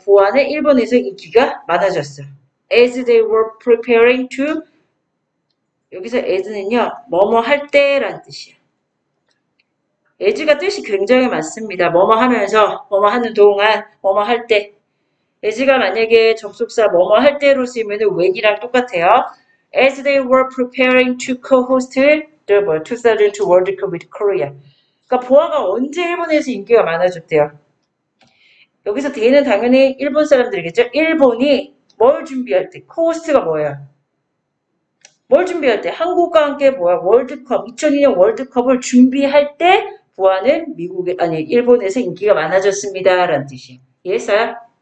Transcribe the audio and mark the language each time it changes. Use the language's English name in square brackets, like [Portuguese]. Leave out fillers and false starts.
[Korean] 보아는 일본에서 인기가 많아졌어. [English] As they were preparing to, [Korean] 여기서 as는요, 뭐뭐 할 때란 뜻이야. as가 뜻이 굉장히 많습니다. 뭐뭐 하면서, 뭐뭐 하는 동안, 뭐뭐 할 때. as가 만약에 접속사 뭐뭐 할 때로 쓰이면 when이랑 똑같아요. [English] As they were preparing to co-host the 2002 World Cup with Korea. [Korean] 그러니까 보아가 언제 일본에서 인기가 많아졌대요? 여기서 they는 당연히 일본 사람들이겠죠? 일본이 뭘 준비할 때? 코호스트가 뭐예요? 뭘 준비할 때? 한국과 함께 뭐야? 월드컵, 2002년 월드컵을 준비할 때 보아는 미국에, 아니 일본에서 인기가 많아졌습니다라는 뜻이에요. 이해했어요?